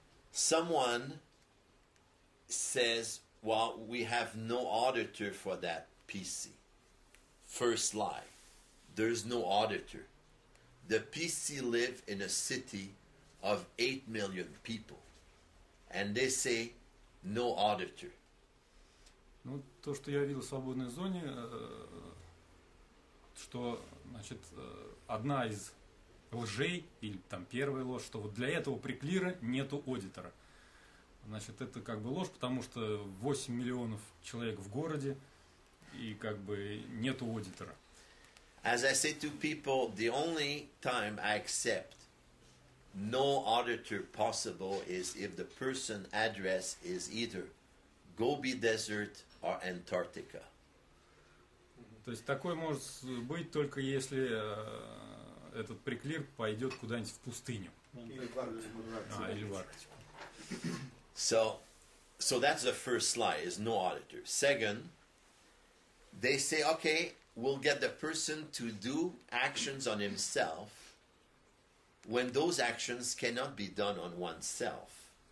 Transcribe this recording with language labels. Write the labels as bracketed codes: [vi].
[en] Someone says, well, we have no auditor for that PC. First lie. There's no auditor. The PC live in a city of 8 million people. And they say, no auditor. [ru] Ну, то, что я видел в свободной зоне, что, значит, одна из лжей, или там первая ложь, что вот для этого приклира нету аудитора. Значит, это как бы ложь, потому что 8 миллионов человек в городе, и как бы нету аудитора. [en] As I say to people, the only time I accept no auditor possible is if the person address is either Gobi Desert or Antarctica. [ru] То есть такое может быть только если этот приклир пойдет куда-нибудь в пустыню. Или в Арктику. [en] So that's the first lie, is no auditor. Second, they say, okay, we'll get the person to do actions on himself when those actions cannot be done on oneself.